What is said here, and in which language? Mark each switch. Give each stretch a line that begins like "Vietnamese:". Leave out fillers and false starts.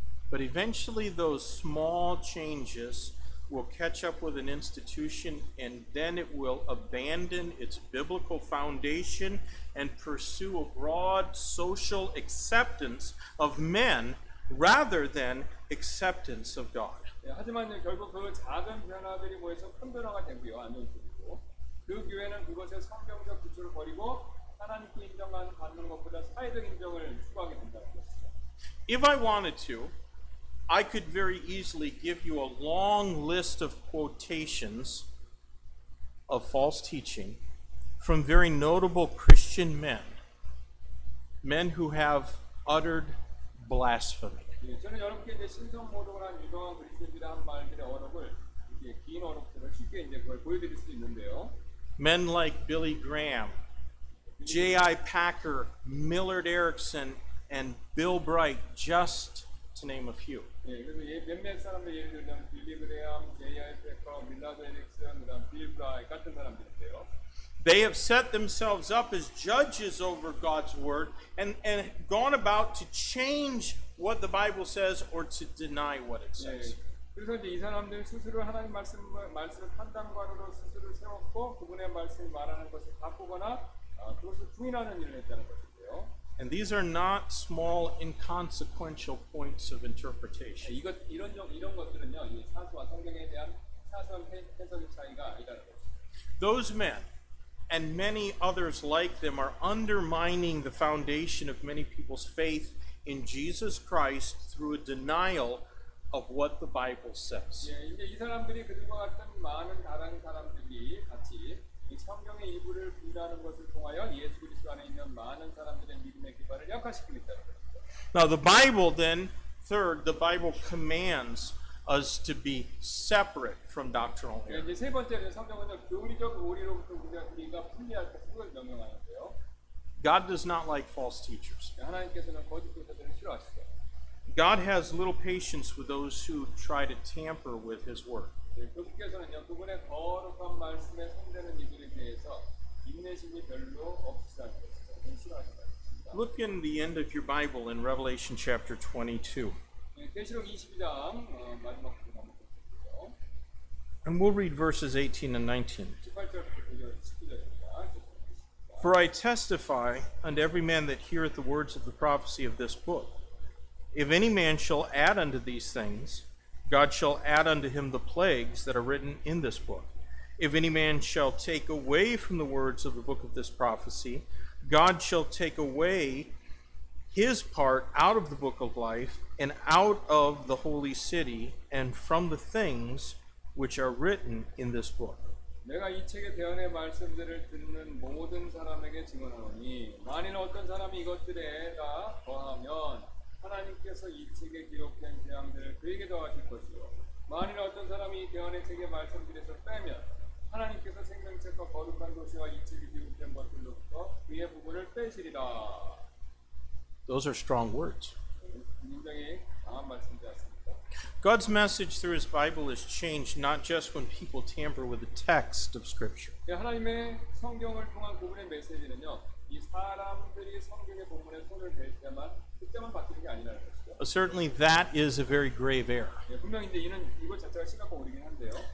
English: But eventually those small changes will catch up with an institution and then it will abandon its biblical foundation and pursue a broad social acceptance of men rather than acceptance of God.
Korean: 예, 하지만 결국 그 작은 변화들이 모여서 큰 변화가 되고요. 안정적이고 그 교회는 그것의 성경적 기초를 버리고 하나님께 인정받는 것보다 사회적 인정을 추구하게 된다는 것이죠.
English: If I wanted to, I could very easily give you a long list of quotations of false teaching from very notable Christian men, men who have uttered blasphemy.
Korean: 저는 여러분께 이제 신성 모독을 한 유명한 그리스도인들의 한 말들의 어록을 이제 긴 어록들을 쉽게 이제 그걸 보여드릴 수 있는데요.
English: Men like Billy Graham, J.I. Packer, Millard Erickson, and Bill Bright, just to name a few.
Korean: 예, 그래서 예, 몇몇 사람들 예를 들면 빌리 그레엄, J.I. Packer, Millard Erickson, 그다음 Bill Bright 같은 사람들인데요.
English: They have set themselves up as judges over God's word and gone about to change what the Bible says or to deny what it says.
Korean: 그래서 이 사람들은 스스로 하나님 말씀을 판단관으로 스스로 세웠고 그분의 말씀을 말하는 것을 바꾸거나 그것을 부인하는 일을 했다는 것인데요.
English: And these are not small inconsequential points of interpretation.
Korean: 이런 것들은요, 이 사소와 성경에 대한 사소한 해석의 차이가 아니라는 것입니다.
English: Those men and many others like them are undermining the foundation of many people's faith in Jesus Christ through a denial of what the Bible says.
Korean: 예, 이 사람들이 그들과 같은 많은 다른 사람들이 같이 이 성경의 일부를 부인하는 것을 통하여 예수 그리스도 안에 있는 많은 사람들의 믿음의 기반을 약화시키고 있다는 것입니다.
English: Now the Bible then, third, the Bible commands us to be separate from doctrinal error.
Korean: 예, 세 번째는 성경은 교리적 오류로부터 우리가 분리할 것을 명령하는데요.
English: God does not like false teachers.
Korean: 예, 하나님께서는 거짓 교사들을 싫어하시죠.
English: God has little patience with those who try to tamper with his word.
Korean: 예, 그분께서는요, 그분의 거룩한 말씀에 손대는 이들에 대해서 인내심이 별로 없으시다는 것을 싫어하신다.
English: Look in the end of your Bible in Revelation chapter 22.
Korean: 계시록 22장 마지막 부분 한번 보시죠.
English: And we'll read verses 18 and 19.
Korean: 18절부터 19절입니다.
English: For I testify unto every man that heareth the words of the prophecy of this book, if any man shall add unto these things, God shall add unto him the plagues that are written in this book. If any man shall take away from the words of the book of this prophecy, God shall take away his part out of the book of life and out of the holy city and from the things which are written in this book.
Korean: 내가 이 책의 대언의 말씀들을 듣는 모든 사람에게 증언하노니 만일 어떤 사람이 이것들에다 더하면 하나님께서 이 책에 기록된 대언들을 그에게 더하실 것이요 만일 어떤 사람이 이 대언의 책의 말씀들에서 빼면 하나님께서 생명책과 거룩한 도시와 이 책에 기록된 것들로부터 그의 부분을 빼시리라.
English: Those are strong words.
Korean: 굉장히 강한 말씀이지 않습니까?
English: God's message through his Bible is changed not just when people tamper with the text of Scripture.
Korean: 예, 하나님의 성경을 통한 그분의 메시지는요, 이 사람들이 성경의 본문에 손을 댈 때만 그때만 바뀌는 게 아니라는 것이죠.
English: Certainly that is a very grave error.
Korean: 예, 분명히 이제 이것 자체가 심각한 오류긴 한데요.